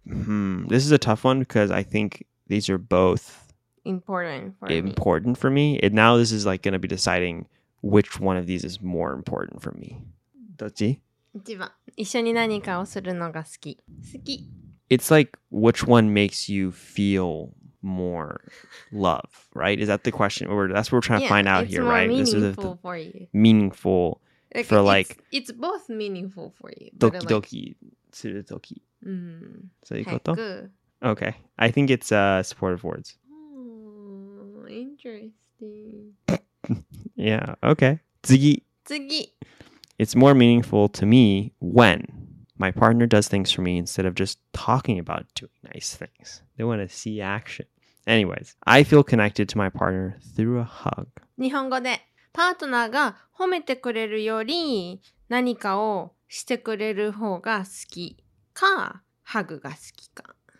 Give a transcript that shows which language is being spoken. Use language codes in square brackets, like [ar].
[en] this is a tough one because I think these are both... Important for me. And now this is like going to be deciding which one of these is more important for me. [ja] どっち? 一番。一緒に何かをするのが好き。好き。 [en] It's like, which one makes you feel more love, right? Is that the question? That's what we're trying to find out here, right? Yeah, it's more meaningful for you. Meaningful like, for it's, like... It's both meaningful for you. [ja] Doki doki suru toki. [en] So you got it? Okay. I think it's supportive words. Oh, interesting. Yeah, okay. 次.It's more meaningful to me when... My partner does things for me instead of just talking about doing nice things. They want to see action. Anyways, I feel connected to my partner through a hug. [ja] 日本語でパートナーが褒めてくれるより何かをしてくれる方が好きかハグが好きか。